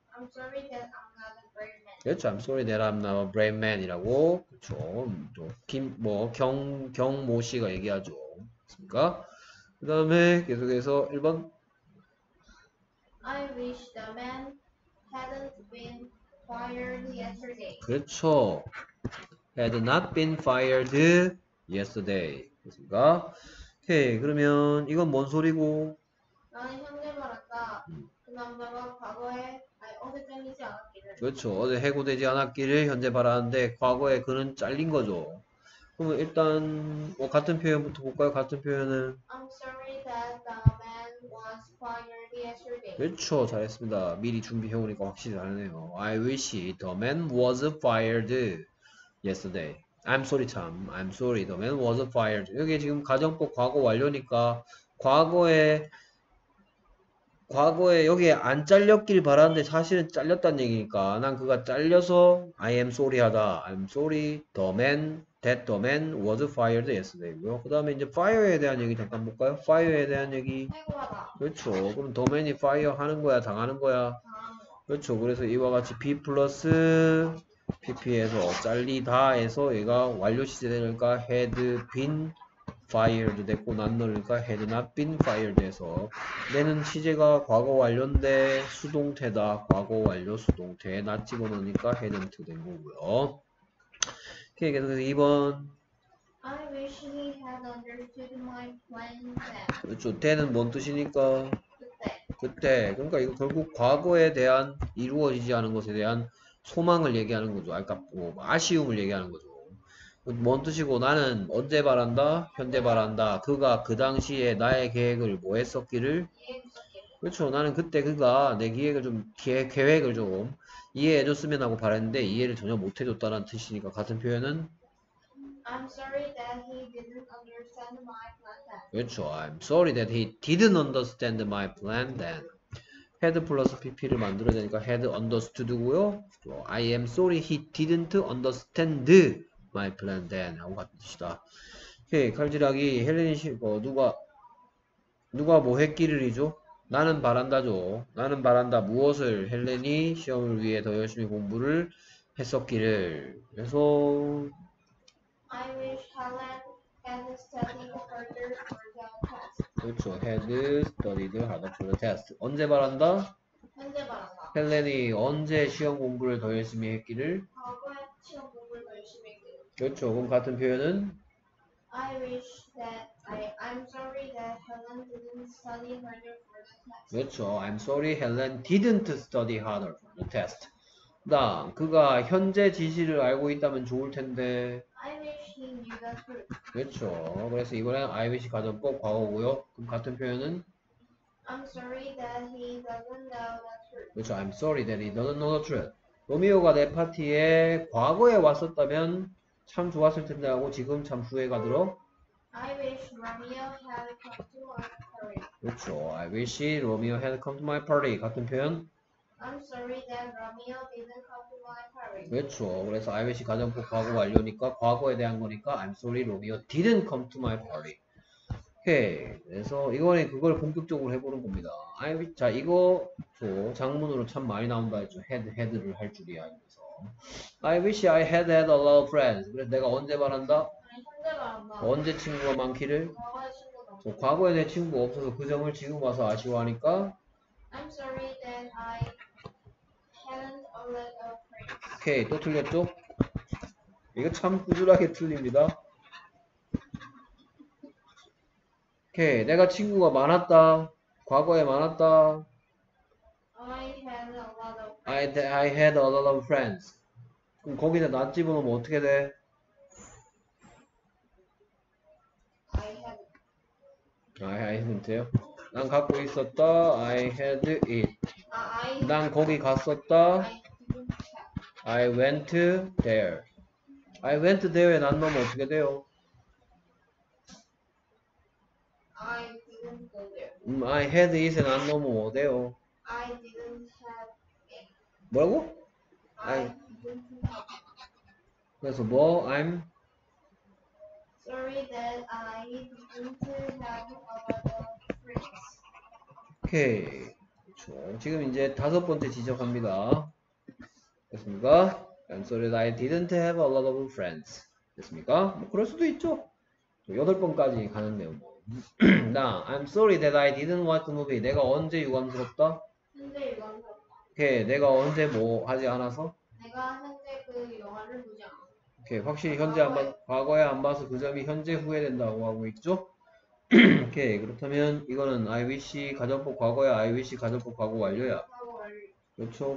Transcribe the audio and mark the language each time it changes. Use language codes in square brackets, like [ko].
[en] I'm sorry that I'm not a brave man. [ko] 그렇죠. [en] I'm sorry that I'm not a brave man이라고. [ko] 그렇죠. 또 김, 뭐, 경모 씨가 얘기하죠. 그렇습니까? 그 다음에 계속해서 1번. [en] I wish the man hadn't been fired yesterday. [ko] 그렇죠. [en] Had not been fired yesterday. [ko] 그렇습니까? 오케이. 그러면 이건 뭔 소리고? 나는 현재 말한다. 그 남자가 과거에 아니 어제 잘리지 않았기를. 그렇죠. 어제 해고되지 않았기를 현재 바라는데 과거에 그는 잘린 거죠. 그러면 일단 뭐 같은 표현부터 볼까요? 같은 표현은 [en] I'm sorry that the man was fired yesterday. [ko] 그렇죠. 잘했습니다. 미리 준비해오니까 확실히 잘하네요. [en] I wish the man was fired yesterday. I'm sorry, Tom. I'm sorry, the man was fired. [ko] 이게 지금 가정법 과거 완료니까 과거에 여기에 안 잘렸길 바랐는데 사실은 잘렸단 얘기니까 난 그가 잘려서 [en] I am sorry [ko] 하다. [en] I'm sorry, that the man was fired yesterday고요. [ko] 그 다음에 이제 fire에 대한 얘기 잠깐 볼까요? fire에 대한 얘기. 그렇죠. 그럼 the man이 fire 하는 거야, 당하는 거야. 그렇죠. 그래서 이와 같이 be plus PP에서 잘리다에서 얘가 완료 시제되니까 [en] had been fired [ko] 됐고 not니까 [en] had not been fired [ko] 해서 내는 시제가 과거 완료인데 수동태다 과거 완료 수동태에 not 집어넣으니까 hadn't 된 거고요. 오케이 계속해서 2번. [en] I wish he had understood my plan then. [ko] 그렇죠. 때는 뭔 뜻이니까 그때 그러니까 이거 결국 과거에 대한 이루어지지 않은 것에 대한 소망을 얘기하는 거죠. 아까 뭐 아쉬움을 얘기하는 거죠. 뭔 뜻이고 나는 언제 바란다? 현재 바란다. 그가 그 당시에 나의 계획을 뭐 했었기를? 그렇죠. 나는 그때 그가 내 계획을 좀 계획을 좀 이해해줬으면 하고 바랬는데 이해를 전혀 못해줬다는 뜻이니까 같은 표현은 [en] I'm sorry that he didn't understand my plan [ko] 그렇죠. [en] I'm sorry that he didn't understand my plan then. [ko] had plus pp를 만들어야 되니까 [en] had understood [ko] 고요. [en] I am sorry he didn't understand my plan then [ko] 하고 같은 뜻이다. 오케이 칼질하기 헬렌이 누가 뭐 했기를이죠? 나는 바란다죠. 나는 바란다 무엇을 헬렌이 시험을 위해 더 열심히 공부를 했었기를. 그래서 [en] I wish Helen had studied harder for the [ko] 그렇죠. [en] had studied harder for the test. [ko] 언제 바란다? 현재 바란다. 헬렌이 언제 시험 공부를 더 열심히 했기를? 과거에 시험 공부를 더 열심히 했기를. 그렇죠. 그럼 같은 표현은? [en] I wish that I'm sorry that Helen didn't study harder for the test. [ko] 그렇죠. [en] I'm sorry Helen didn't study harder for the test. [ko] 나 그가 현재 지시를 알고 있다면 좋을 텐데. [en] I wish he knew the truth. [ko] 그렇죠. 그래서 이번엔 IVC 가정법 과거고요. 그럼 같은 표현은? [en] I'm sorry that he doesn't know the truth. [ko] 그렇죠. [en] I'm sorry that he doesn't know the truth. [ko] 로미오가 내 파티에 과거에 왔었다면 참 좋았을 텐데 하고 지금 참 후회가 들어. [en] I wish Romeo had come to my party. [ko] 그렇죠. [en] I wish Romeo had come to my party. [ko] 같은 표현. [en] I'm sorry that Romeo didn't come to my party. [ko] 그렇죠. 그래서 [en] I wish [ko] 가정법 과거 완료니까 과거에 대한 거니까 [en] I'm sorry Romeo didn't come to my party. [ko] 오케이. 그래서 이번에 그걸 본격적으로 해보는 겁니다. 아이 자 이거 저 장문으로 참 많이 나온다 했죠. 헤드를 할 줄이야. 그래서 [en] I wish I had had a lot of friends. [ko] 그래서 내가 언제 바란다? 언제 친구가 많기를? 저 과거에 내 친구 없어서 그 점을 지금 와서 아쉬워하니까. [en] I'm sorry that I hadn't a lot of friends. [ko] 오케이 또 틀렸죠? 이거 참 꾸준하게 틀립니다. 오케이 내가 친구가 많았다. 과거에 많았다. [en] I had a lot of I friends. had a lot of friends. [ko] 그럼 거기다 not 집어넣으면 어떻게 돼? [en] I had I hadn't요? [ko] 난 갖고 있었다. [en] I had it. [ko] 난 거기 갔었다. [en] I didn't check. I went there. I went there에 [ko] 난 넣으면 어떻게 돼요? [en] I didn't go there. I had it [ko] 에 난 넣으면 어때요? [en] I didn't have it. [ko] 뭐라고? [en] I didn't have it. [ko] 그래서 뭐? [en] I'm Sorry that I didn't have a lot of friends. [ko] 오케이 그렇죠. 지금 이제 다섯 번째 지적합니다. 됐습니까? [en] I'm sorry that I didn't have a lot of friends. [ko] 됐습니까? 뭐 그럴 수도 있죠. 여덟 번까지 가는 내용. 뭐. 나 [en] I'm sorry that I didn't watch the movie. [ko] 내가 언제 유감스럽다? 현재 유감스럽다. 오케이. 내가 언제 뭐 하지 않아서? 내가 현재 그 영화를 보지 않아. 오케이. 확실히 현재 안 봐, 과거에. 과거에 안 봐서 그 점이 현재 후회된다고 하고 있죠? 오케이. 그렇다면 이거는 [en] I wish [ko] 가정법 과거야. [en] I wish [ko] 가정법 과거 완료야. 그렇죠.